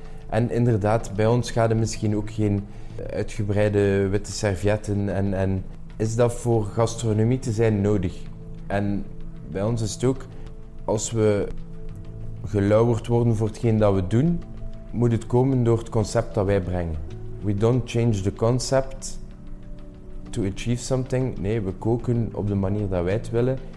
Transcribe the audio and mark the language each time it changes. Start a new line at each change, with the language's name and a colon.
Dutch: En inderdaad, bij ons ga je misschien ook geen uitgebreide witte servietten en is dat voor gastronomie te zijn nodig? En bij ons is het ook, als we gelauwerd worden voor hetgeen dat we doen, moet het komen door het concept dat wij brengen.
English: We don't change the concept to achieve something.
Dutch: Nee, we koken op de manier dat wij het willen.